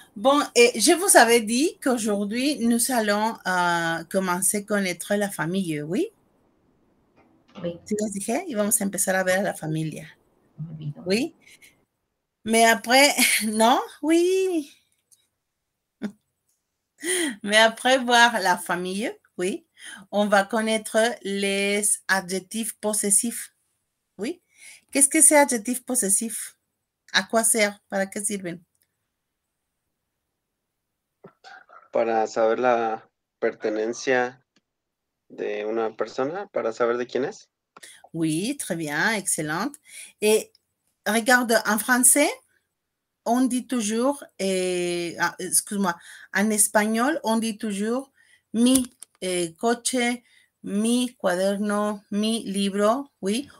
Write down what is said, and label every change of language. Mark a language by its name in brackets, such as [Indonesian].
[French] Bon, et je vous avais dit qu'aujourd'hui, nous allons commencer à connaître la famille, oui? [Spanish] Si les dije, y vamos a empezar a ver a la familia. [French] Oui? Mais après, non? Oui. Mais après voir la famille, oui, on va connaître les adjectifs possessifs. Oui? Qu'est-ce que c'est adjectif possessif? À quoi sert? [Spanish] Para qué sirven? Para saber la pertenencia de una persona, para saber de quién es. [French] Oui, très bien, excellente. Et regarde, en français, on dit toujours, excuse-moi, en espagnol, on dit toujours [Spanish] mi coche, mi cuaderno, mi libro, [French] oui.